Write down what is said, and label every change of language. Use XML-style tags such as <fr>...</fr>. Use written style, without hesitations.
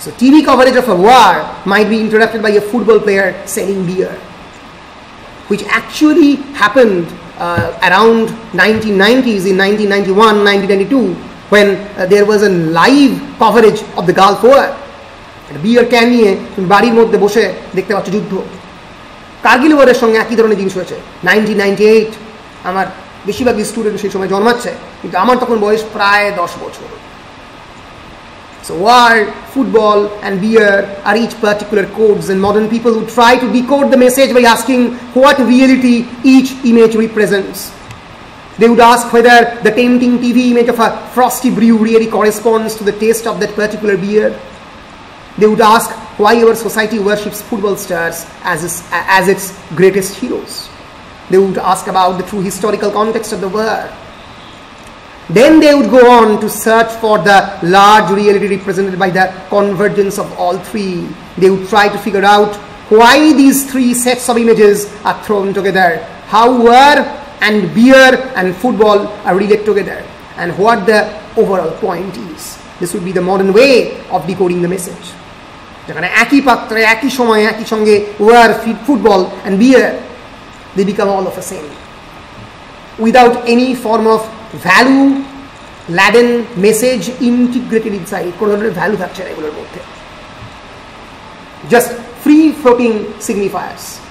<en>So TV coverage of a war might be interrupted by a football player selling beer, which actually happened around 1990s, in 1991, 1992, when there was a live coverage of the Gulf War.</en> <bn>Beer can নিয়ে তুমি বাড়ির মধ্যে বসে দেখতে পাচ্ছ যুদ্ধ। কার্গিল ওয়ারের সঙ্গে একই ধরনের জিনিস হয়েছে 1998। আমার বেশিরভাগ স্টুডেন্ট সেই সময় জন্মাচ্ছে, কিন্তু আমার তখন বয়স প্রায় 10 বছর।</bn> <en>So war, football and beer আর each particular codes in modern people who try to decode the message by asking what reality each image represents. They would ask whether the tempting TV image of a frosty brew really corresponds to the taste of that particular beer. They would ask why our society worships football stars as its greatest heroes. They would ask about the true historical context of the war. Then they would go on to search for the large reality represented by the convergence of all three. They would try to figure out why these three sets of images are thrown together, how war and beer and football are related together, and what the overall point is. This would be the modern way of decoding the message.</en> <bn>যেখানে একই পাত্রে একই সময়ে একই সঙ্গে</bn> <en>war, football and bear, they become all of a same without any form of value laden message integrated inside,</en> <bn>কোনো ধরনের value থাকছে না এগুলোর মধ্যে,</bn> <en>Just free floating signifiers.</en>